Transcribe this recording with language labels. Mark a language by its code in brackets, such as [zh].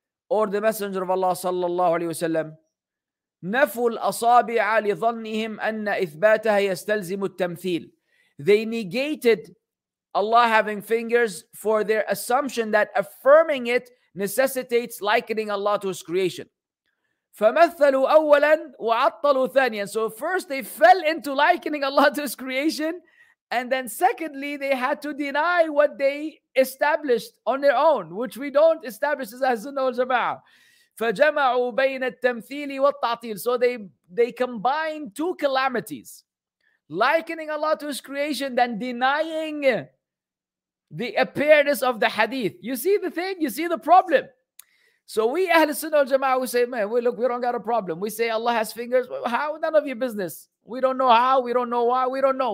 [en] Or the Messenger of Allah [ar] صلى الله عليه وسلم. نَفُوا الْأَصَابِعَ لِظَنِّهِمْ أَنَّ إِثْبَاتَهَ يَسْتَلْزِمُ التَّمْثِيلِ. [en] They negated Allah having fingers for their assumption that affirming it necessitates likening Allah to his creation. [ar] فَمَثَّلُوا أَوَّلًا وَعَطَّلُوا ثَانِيًا. [en] So first they fell into likening Allah to his creation, and then secondly they had to deny what they established on their own, which we don't establish as Ahl-Sunnah wal-Jama'ah. [ar] فَجَمَعُوا بَيْنَ التَّمْثِيلِ وَالتَّعْطِيلِ. [en] So they combined two calamities. Likening Allah to his creation, then denying the appearance of the hadith. You see the thing? You see the problem? So we Ahl-Sunnah wal-Jama'ah, we say, man, we look, we don't got a problem. We say Allah has fingers. How? None of your business. We don't know how. We don't know why. We don't know.